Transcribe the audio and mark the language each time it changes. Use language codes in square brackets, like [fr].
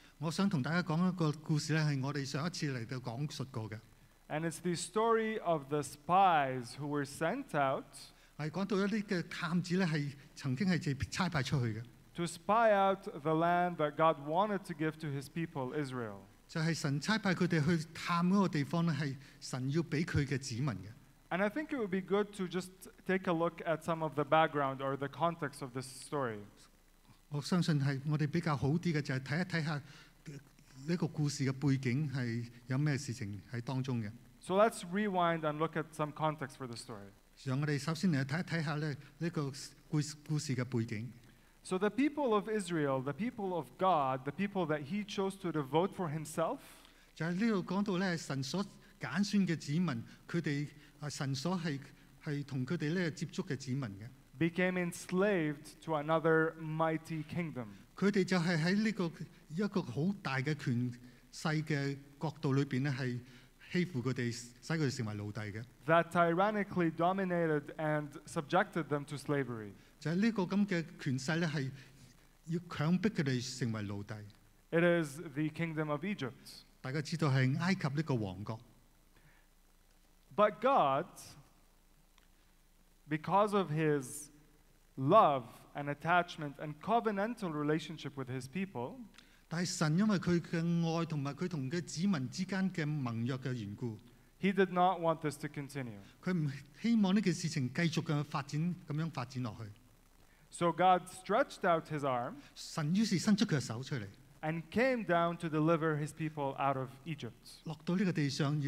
[en] And it's the story of the spies who were sent out to spy out the land that God wanted to give to his people, Israel. [zh] 就是神差派他们去探那个地方，是神要给他的子民的。 [en] And I think it would be good to just take a look at some of the background or the context of this story. [zh] 我相信是我们比较好的，就是看一看这个故事的背景是有什么事情在当中的。 [en] So let's rewind and look at some context for the story. [zh] 让我们首先来看一看这个故事的背景。 [en] So the people of Israel, the people of God, the people that he chose to devote for himself, [zh] 就是这里讲到呢，神所拣选的子民，他们神所是跟他们接触的子民的， [en] became enslaved to another mighty kingdom. [zh] 他们就是在这个一个很大的权势的角度里面，是欺负他们，使他们成为奴隶的。 [en] That tyrannically dominated and subjected them to slavery. [zh] 就是这个权势是要强迫他们成为奴隶。 [en] It is the kingdom of Egypt. [zh] 大家知道是埃及这个王国。 [en] But God, because of his love and attachment and covenantal relationship with his people, [zh] 但是神因为他的爱和他跟子民之间的盟约的缘故， [en] he did not want this to continue. [zh] 他不希望这个事情继续发展，这样发展下去。 [en] So God stretched out his arm and came down to deliver his people out of Egypt.